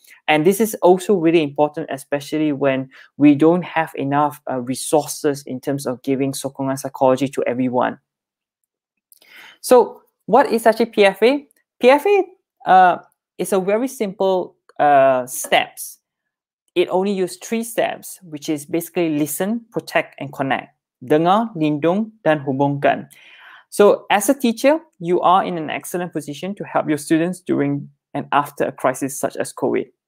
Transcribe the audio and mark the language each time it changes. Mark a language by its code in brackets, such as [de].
[en] And this is also really important, especially when we don't have enough resources in terms of giving [ms] sokongan psikologi [en] to everyone. So what is actually PFA? PFA is a very simple steps. It only uses three steps, which is basically listen, protect, and connect. [ms] Dengar, lindung, dan hubungkan. [en] So as a teacher, you are in an excellent position to help your students during and after a crisis such as COVID.